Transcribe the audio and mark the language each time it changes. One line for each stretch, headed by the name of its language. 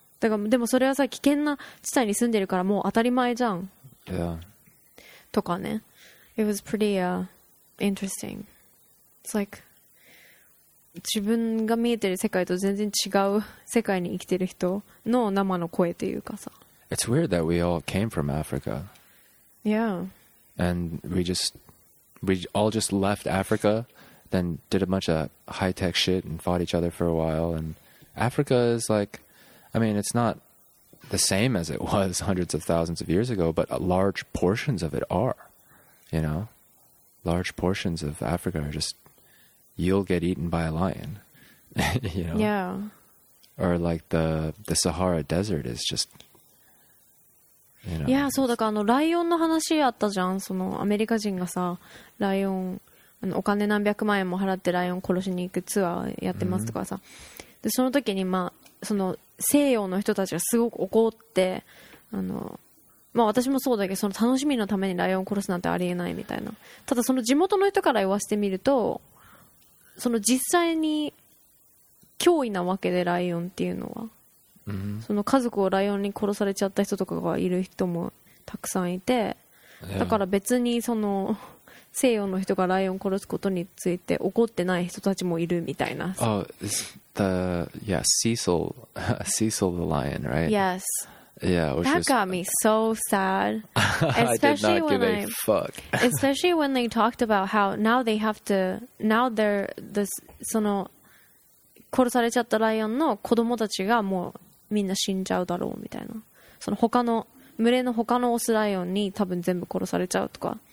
Japanese: だからでもそれはさ、危険な地帯に住んでるからもう当たり前じゃん、
English: yeah.
Japanese: とかね。
English: It was pretty interesting. It's like,
Japanese: 自分が見えてる世界と全然違う世界に生きてる人の生の声というかさ。
English: It's weird that we all came from Africa. Yeah. And we all just left Africa, then did a bunch of high-tech shit and fought each other for a while. And Africa is like, I mean, it's not the same as it was hundreds of thousands of years ago, but large portions of it are, you know? Large portions of Africa are just... You'll get eaten by a lion, you know? Yeah. Or like the Sahara Desert is just, you know? Yeah, so
Japanese: だからあのライオンの話あったじゃん。そのアメリカ人がさ、ライオン、あのお金何百万円も払ってライオン殺しに行くツアーやってますとかさ。
English: Mm-hmm.
Japanese: で、その時にまあ、その西洋の人たちがすごく怒って、あの、まあ、私もそうだけど、その楽しみのためにライオン殺すなんてありえないみたいな。ただその地元の人から言わせてみると、その実際に脅威なわけで、ライオンっていうのは、
English: mm-hmm.
Japanese: その家族をライオンに殺されちゃった人とかがいる人もたくさんいて、
English: yeah.
Japanese: だから別にその西洋の人がライオン殺すことについて怒ってない人たちもいるみたいな。
English: Oh, the yeah, Cecil the lion, right? Yes. Yeah, that got me so sad. Especially fuck. especially when they talked about how now they're this.
Japanese: その殺されちゃったライオンの子供たちがもうみんな死んじゃうだろうみたいな。その他の群れの他のオスライオンに多分全部殺されちゃうとか。